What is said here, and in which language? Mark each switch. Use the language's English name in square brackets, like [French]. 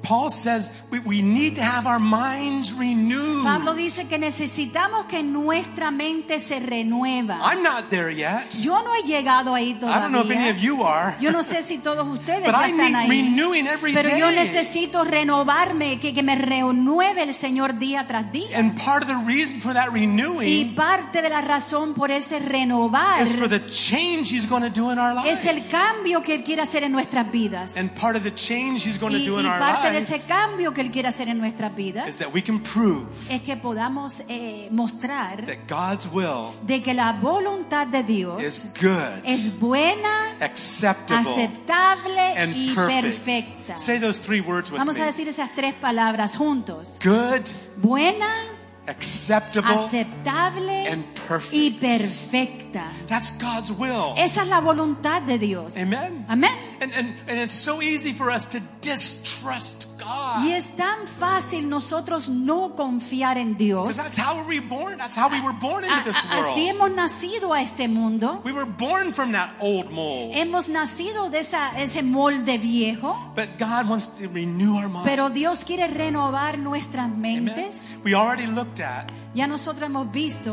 [English] Paul says we need to have our minds renewed. [Spanish] Pablo dice que necesitamos que nuestra mente se renueva. [English] I'm not there yet. [Spanish] Yo no he llegado ahí todavía. [English] I don't know if any of you are. [Spanish] Yo no sé si todos ustedes están ahí. [English] But I need renewing every day. [Spanish] Pero yo necesito renovarme, que me renueve el Señor día tras día. [English] And part of the reason for that renewing. [Spanish] Y parte de la razón por ese renovar. [English] Is for the change he's going to do in our lives. [Spanish] Es el cambio que él quiere hacer en nuestras vidas. [English] And part of the change he's going to do in our lives. [Spanish] Y parte de ese cambio que él quiere hacer en nuestras vidas [English] is that we can prove [Spanish] es que podamos mostrar [English] that God's will [Spanish] de que la voluntad de Dios [English] is good, [Spanish] es buena, [English] acceptable, [Spanish] aceptable [English] and [Spanish] y perfecta. [English] Say those three words with [Spanish] Vamos [English] me. [Spanish] A decir esas tres palabras juntos. [English] Good, [Spanish] buena, [English] acceptable, [Spanish] aceptable [English] and perfect. [Spanish] Y perfecta. [English] That's God's will. [Spanish] Esa es la voluntad de Dios. [English] Amen. [Spanish] Amen. [English] And it's so easy for us to distrust God. [Spanish] Y es tan fácil nosotros no confiar en Dios. [English] Because that's how we were born. That's how we were born into this world. [Spanish] Así hemos nacido a este mundo. [English] We were born from that old mold. [Spanish] Hemos nacido de ese molde viejo. [English] But God wants to renew our minds. [Spanish] Pero Dios quiere renovar nuestras mentes. [English] Amen. We already looked at [Spanish] ya nosotros hemos visto